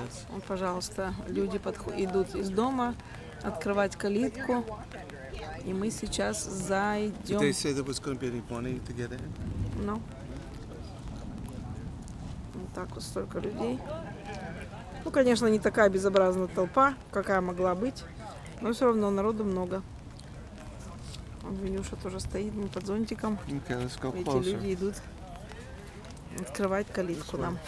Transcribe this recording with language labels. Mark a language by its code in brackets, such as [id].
[ru] Вот, пожалуйста, люди идут из дома открывать калитку. И мы сейчас зайдем. [en] Did they say there was going to be any money to get in? No. [ru] Вот так вот столько людей. Ну, конечно, не такая безобразная толпа, какая могла быть. Но все равно народу много. Винюша тоже стоит, мы под зонтиком. [en] Okay, let's go closer. [ru] Эти люди идут открывать калитку нам.